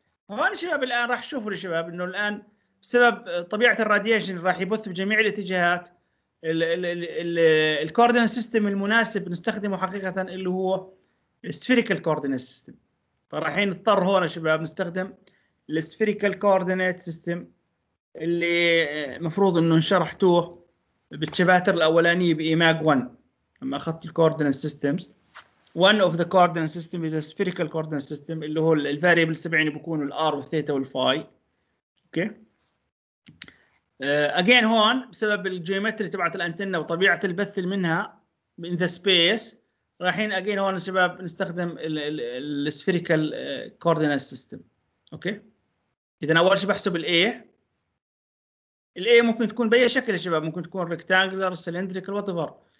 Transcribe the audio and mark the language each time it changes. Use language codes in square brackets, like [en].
[ar] هون شباب الان راح شوفوا شباب انه الان بسبب طبيعه الراديشن راح يبث بجميع الاتجاهات الكوردينيت سيستم المناسب نستخدمه حقيقه اللي هو السفيريكال كوردينيت سيستم، فراحين نضطر هون شباب نستخدم السفيريكال كوردينيت سيستم اللي مفروض انه شرحتوه بالشباتر الاولانيه بايماج 1 لما اخذت الكوردينيت سيستمز. [en] One of the coordinate system is the spherical coordinate system [ar] اللي هو ال variables تبعيني بكونوا ال r والثيتا والفاي. اوكي again هون بسبب الجيومتري تبعت الانتنة وطبيعة البث منها [en] in the space [ar] راحين again هون شباب نستخدم ال spherical coordinate system. اوكي اذا اول شيء بحسب ال a ممكن تكون باي شكل يا شباب، ممكن تكون [en] rectangular cylindrical whatever.